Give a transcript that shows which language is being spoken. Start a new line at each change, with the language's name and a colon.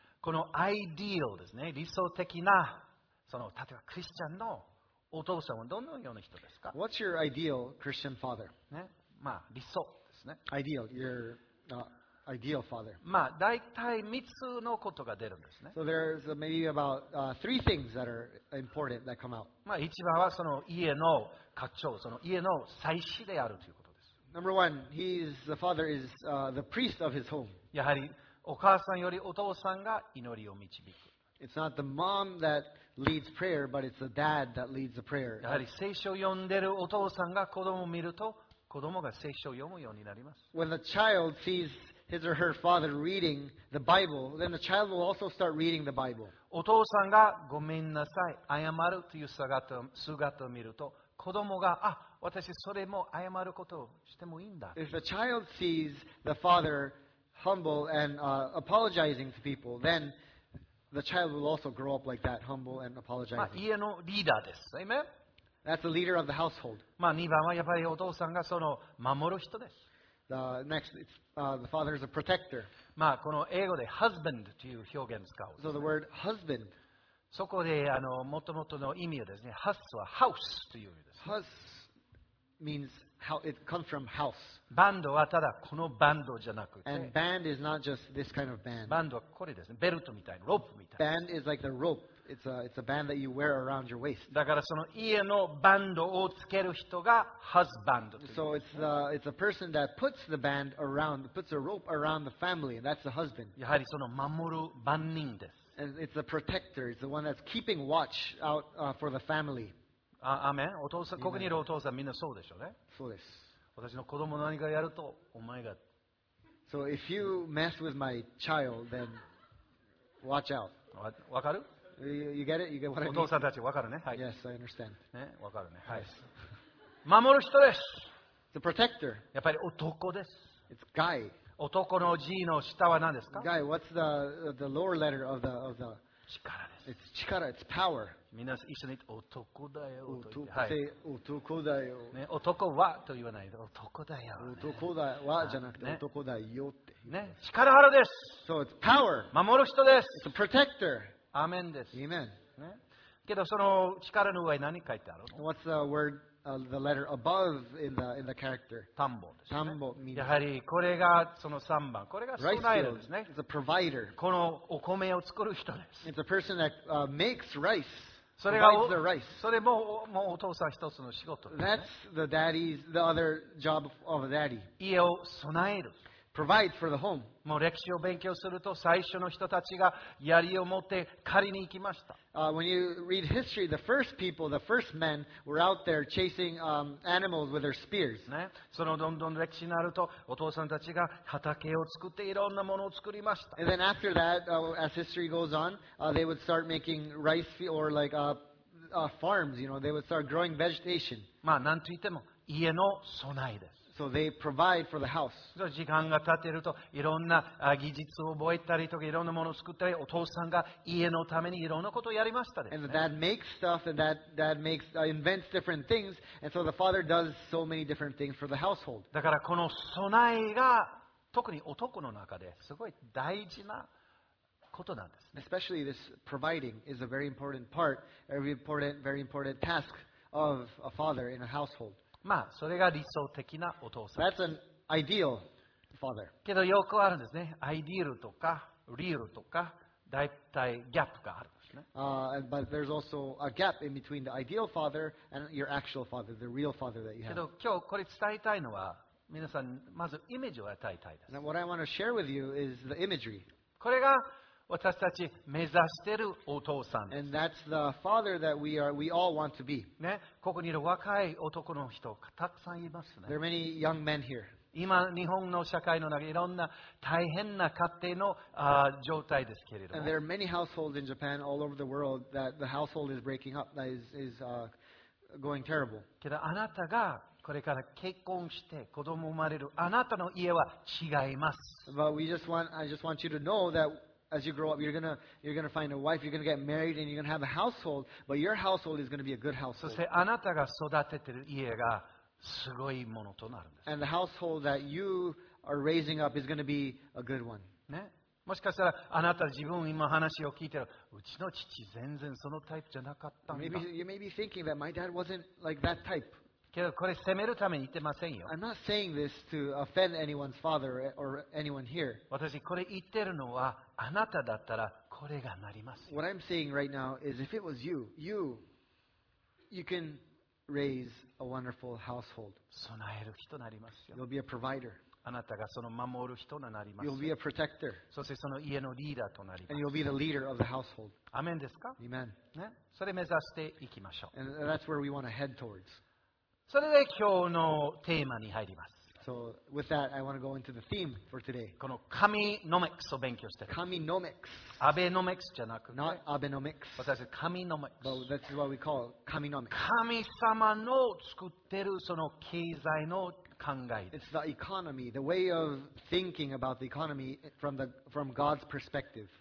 Japanese: この ideal ですね、理想的な、その例えばクリスチャンのお父さんはどのような人ですか
English: ？What's your ideal Christian father?
Japanese: ね、まあ理想ですね。
English: Ideal, your ideal father.
Japanese: まあだいたい三つのことが出るんですね。
English: So there's maybe about three things that are important that come out.
Japanese: まあ一番はその家の家長、その家の祭司であるということ。
English: Number one, he's the father is the priest of his home.
Japanese: やはりお母さんよりお父さんが祈りを導く。
English: It's not the mom that leads prayer, but it's the dad that leads the prayer.
Japanese: やはり聖書を読んでるお父さんが子供を見ると、子供が聖書を読むようになります。
English: When the child sees his or her father reading the Bible, then the child will also start reading the Bible.
Japanese: お父さんがごめんなさい、謝るという姿を見ると、子供が、あ、私それも謝ることをしてもいいんだ。
English: If a child sees the father humble and apologizing to people, then the child will also grow up like that, humble and apologizing.
Japanese: まあ、家のリーダーです。
English: Amen? That's the leader of the household.
Japanese: まあ、2番はやっぱりお父さんがその守る人です。
English: The next, it's, the father is a protector.
Japanese: まあ、この英語で husband という表現を使うんですね。
English: So the word husband.
Japanese: そこで元々の意味はですね、ハスはハウスという意味です、ね。
English: ハス means how it comes from house。
Japanese: バンドはただこのバンドじゃなくて、
English: and band is not just this kind of band。
Japanese: バンドはこれですね、ベルトみたいな、ロープみたいな。
English: Band is like the rope. It's a band that you wear around your waist。
Japanese: だからその家のバンドをつける人がハスバンドという意味です、ね。
English: So it's a person that puts the band around, puts a rope around the family, and that's the husband。
Japanese: やはりその守る番人です。
English: And it's the protector. It's the one that's keeping watch out for the family. Amen.
Japanese: お父さん、ここにいるお父さん、みんなそうでしょうね。そうです。私の子供何かやると、お前が。
English: So if you mess with my child, then watch out.
Japanese: わかる？
English: You get it? You get what I mean?
Japanese: お父さんたちわかるね。はい。
English: Yes, I understand.
Japanese: ね、わかるね。はい。守る人です。
English: The protector.
Japanese: やっぱり男です。
English: It's guy.
Japanese: 男の G の下は何ですか
English: Guy, what's the lower letter of the, of the...
Japanese: 力です。
English: It's 力、it's power.
Japanese: みんな一緒に言って男だよと言って。はい、男だよ、ね。男はと言わないで、男だよ、ね。男だはじゃなくて男だよって、ね。力あるです。
English: So it's power.
Japanese: 守る人です。
English: It's a protector.
Japanese: アメンです。
English: Amen.、
Japanese: ね、けどその力の上に何書いてあるの
English: What's the word? The letter above in the character.
Japanese: 田んぼですね。田んぼ。やはりこれがその三番。これが備えるんですね。
English: It's a provider.
Japanese: このお米を作る人です。
English: It's a person that makes rice.
Japanese: それが
English: provides the rice.
Japanese: それも、もうお父さん一つの仕事ですね。
English: That's the daddy's the other job of a daddy.
Japanese: 家を備える。
English: Provide for the home.
Japanese: もう歴史を勉強すると最初の人たちが槍を持って狩りに行きました。
English: When you read history, the first people, the first men were out there chasing animals with their spears.
Japanese: ね、そのどんどん歴史になるとお父さんたちが畑を作っていろんなものを作りました。
English: And then after that, as history goes on, they would start making rice fields or like farms. You know, they would start growing vegetation.
Japanese: まあなんといっても家の備えです。
English: So they provide for the house.
Japanese: 時間が経てるといろんな技術を覚えたりとかいろんなものを作ったりお父さんが家のためにいろんなことをやりましたです、ね、
English: And the dad makes stuff and that makes, invents different things and so the father does so many different things for the household.
Japanese: だからこの備えが特に男の中ですごい大事なことなんです、ね、
English: Especially this providing is a very important part very important task of a father in a household.
Japanese: まあ、それが理想的なお父さん。
English: That's an ideal father.
Japanese: けどよくあるんですね。 ideal とか real とか、だいたいギャップがあるんですね。
English: But there's also a gap in between the ideal father and your actual father, the real father that you have.
Japanese: けど今日これ伝えたいのは、皆さんまずイメージを与えたいです。
English: Now what I want to share with you is the imagery.
Japanese: これが私たち目指しているお父さんです。
English: And that's the father that we all want to be.
Japanese: ね、ここにいる若い男の人たくさんいますね。
English: There are many young men here.
Japanese: 今日本の社会の中いろんな大変な家庭の状態ですけれども。
English: And there are many households in Japan all over the world that the household is breaking up, that is going terrible.
Japanese: けどあなたがこれから結婚して子供生まれるあなたの家は違います。
English: But I just want you to know that. As you grow up, you're gonna find a wife, you're gonna get married, and you're gonna have a household. But your household is gonna be a good household.
Japanese: そしてあなたが育てている家がすごいものとなるんです。
English: And the household that you are raising up is gonna be a good one.
Japanese: ね、もしかしたらあなた自分今話を聞いてる、うちの父全然そのタイプじゃなかったんだ。
English: Maybe you may be thinking that my dad wasn't like that type.
Japanese: けどこれ責めるために言ってませんよ。
English: I'm not saying this to offend anyone's father or anyone here.
Japanese: 私これ言ってるのはあなただったらこれがなります。
English: What I'm saying right now is if it was you, you can raise a wonderful household.
Japanese: 備える人になりますよ。
English: You'll be a provider.
Japanese: あなたがその守る人になります
English: よ。You'll be a protector.
Japanese: そしてその家のリーダーとなります。
English: And you'll be the leader of the household.
Japanese: アメンですか？
English: Amen.
Japanese: ね、それ目指していきましょう。
English: And that's where we want to head towards.
Japanese: それで今日のテーマに入ります。
English: So with that, I want to go into the theme for today.
Japanese: この神ノミクスを勉強してる。神ノミクス。アベノミクスじゃなくて。
English: Not Abenomics.
Japanese: 私は神ノミクス。
English: But that's what we call 神ノミク
Japanese: ス。神様の作ってるその経済の考えです。
English: It's the economy, the way of thinking about the economy from God's perspective.